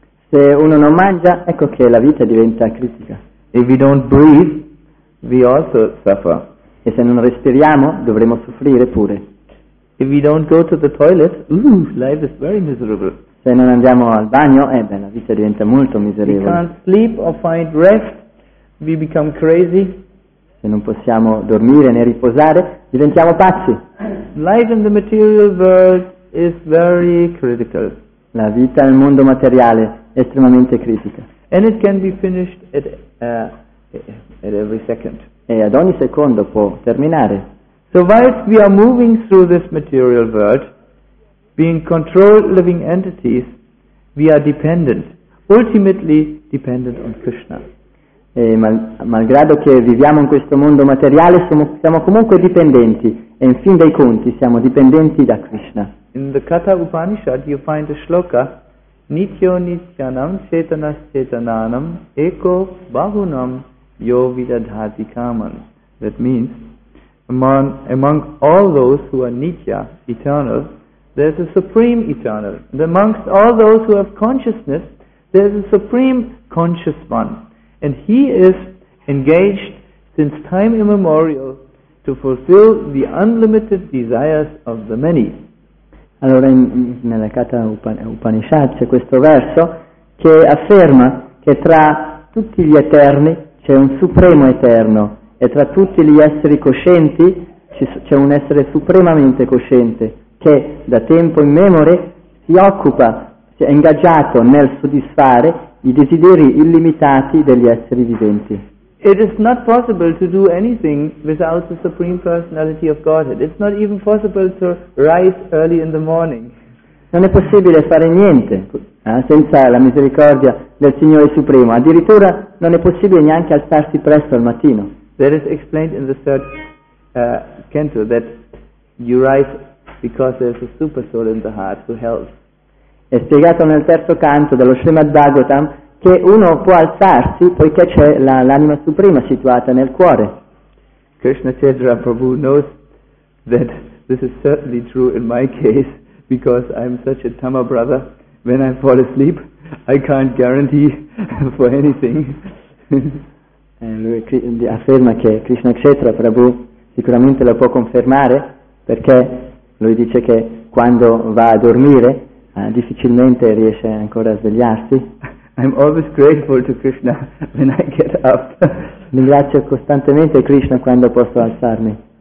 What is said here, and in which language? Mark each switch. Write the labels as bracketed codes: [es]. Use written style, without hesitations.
[it] Se uno non mangia, ecco che la vita diventa critica. [en] If we don't breathe, we also suffer. [it] E se non respiriamo, dovremo soffrire pure. [en] If we don't go to the toilet, life is very miserable. [it] Se non andiamo al bagno, la vita diventa molto miserevole. [en] We can't sleep or find rest, we become crazy. [it] Se non possiamo dormire né riposare, diventiamo pazzi. [en] Life in the material world is very critical. [it] La vita nel mondo materiale è estremamente critica. [en] And it can be finished at every second. [it] E ad ogni secondo può terminare. [en] So whilst we are moving through this material world, being controlled living entities, we are dependent, ultimately dependent on Krishna. [it] E malgrado che viviamo in questo mondo materiale, siamo comunque dipendenti, e in fin dei conti siamo dipendenti da Krishna. [en] In the Katha Upanishad you find a shloka, [sa] Nityo Nityanam Chetanas Chetananam Eko Bahunam Yo Vidadhati Kaman. [en] That means, among all those who are Nitya, eternal, there is a supreme eternal. And amongst all those who have consciousness, there is a supreme conscious one. And he is engaged since time immemorial to fulfill the unlimited desires of the many. [it] Allora, nella Katha Upanishad c'è questo verso che afferma che tra tutti gli eterni c'è un supremo eterno e tra tutti gli esseri coscienti c'è un essere supremamente cosciente che da tempo immemore si occupa, si è ingaggiato nel soddisfare i desideri illimitati degli esseri viventi. [en] It is not possible to do anything without the Supreme Personality of Godhead. It's not even possible to rise early in the morning. [it] Non è possibile fare niente senza la misericordia del Signore Supremo. Addirittura non è possibile neanche alzarsi presto al mattino. [en] That is explained in the third canto that you rise because there's a super soul in the heart who helps. [it] È spiegato nel terzo canto dello Srimad Bhagavatam che uno può alzarsi poiché c'è l'anima suprema situata nel cuore. [en] Krishna Chaitanya Prabhu knows that this is certainly true in my case because I'm such a Tama brother. When I fall asleep, I can't guarantee for anything. [it] Lui afferma che Krishna Chaitanya Prabhu sicuramente lo può confermare perché lui dice che quando va a dormire difficilmente riesce ancora a svegliarsi. [en] I'm always grateful to Krishna when I get up. [it] Ringrazio costantemente Krishna quando posso alzarmi.